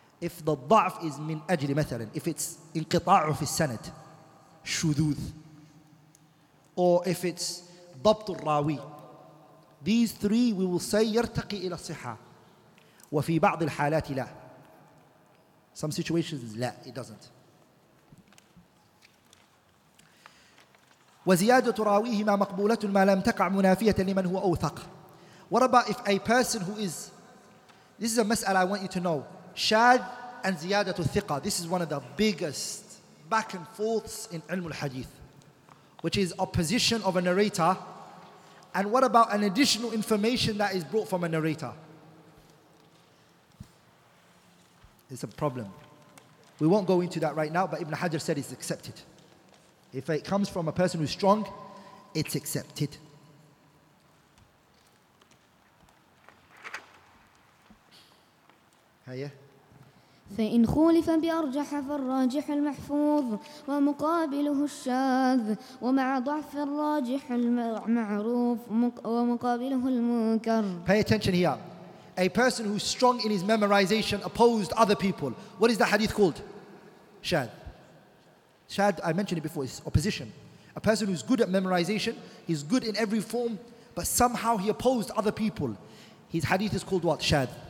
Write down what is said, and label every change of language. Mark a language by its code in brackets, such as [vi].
[ar] If the ضعف is من أجل مثلا, if it's انقطاع في السند, shudud, or if it's ضبط الراوي, these three we will say يرتقي إلى الصحة وفي بعض الحالات لا. [en] Some situations لا, it doesn't. [ar] وزيادة راويهما مقبولة ما لم تقع منافية لمن هو أوثق. [en] What about if a person who is, this is a مسألة I want you to know, شاذ and زيادة الثقة, this is one of the biggest back and forths in ilm al-hadith, which is opposition of a narrator, and what about an additional information that is brought from a narrator? It's a problem. We won't go into that right now, but Ibn Hajar said it's accepted. If it comes from a person who's strong, it's accepted. Hiya. [ar] فإن خولف بأرجح فالراجح المحفوظ ومقابله الشاذ ومع ضعف الراجح المعروف ومقابله المنكر. [en] Pay attention here. A person who's strong in his memorization opposed other people. What is the hadith called? Shad, I mentioned it before, is opposition. A person who's good at memorization, he's good in every form, but somehow he opposed other people. His hadith is called what? Shad.